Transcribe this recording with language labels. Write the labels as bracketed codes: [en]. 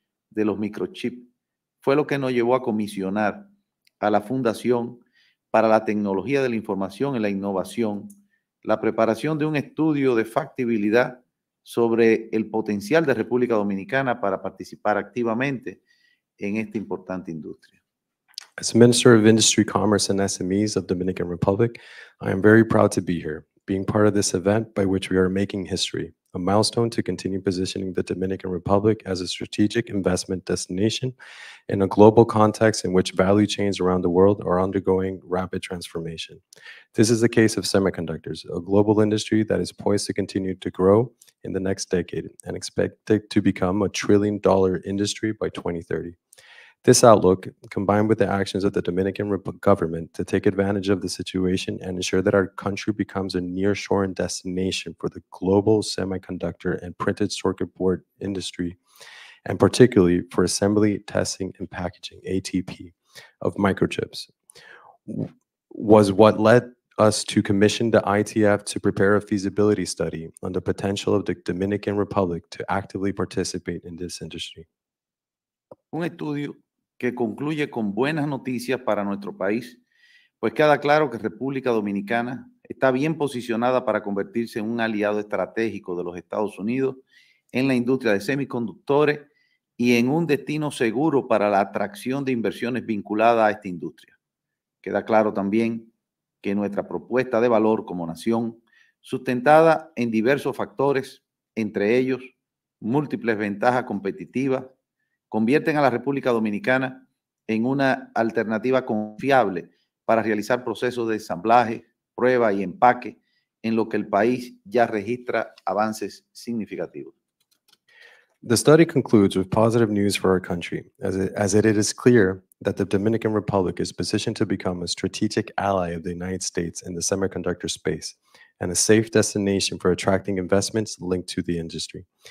[es] de los microchips, fue lo que nos llevó a comisionar a la Fundación para la Tecnología de la Información y la Innovación la preparación de un estudio de factibilidad sobre el potencial de República Dominicana para participar activamente en esta importante industria. [en] As Minister of Industry, Commerce, and SMEs of Dominican Republic, I am very proud to be here, being part of this event by which we are making history, a milestone to continue positioning the Dominican Republic as a strategic investment destination in a global context in which value chains around the world are undergoing rapid transformation. This is the case of semiconductors, a global industry that is poised to continue to grow in the next decade and expected to become a $1 trillion industry by 2030. This outlook, combined with the actions of the Dominican government to take advantage of the situation and ensure that our country becomes a nearshoring destination for the global semiconductor and printed circuit board industry, and particularly for assembly, testing, and packaging, ATP, of microchips, was what led us to commission the ITIF to prepare a feasibility study on the potential of the Dominican Republic to actively participate in this industry. [es] Que concluye con buenas noticias para nuestro país, pues queda claro que República Dominicana está bien posicionada para convertirse en un aliado estratégico de los Estados Unidos en la industria de semiconductores y en un destino seguro para la atracción de inversiones vinculadas a esta industria. Queda claro también que nuestra propuesta de valor como nación, sustentada en diversos factores, entre ellos múltiples ventajas competitivas, convierten a la República Dominicana en una alternativa confiable para realizar procesos de ensamblaje, prueba y empaque en lo que el país ya registra avances significativos. [en] The study concludes with positive news for our country, as it is clear that the Dominican Republic is positioned to become a strategic ally of the United States in the semiconductor space and a safe destination for attracting investments linked to the industry.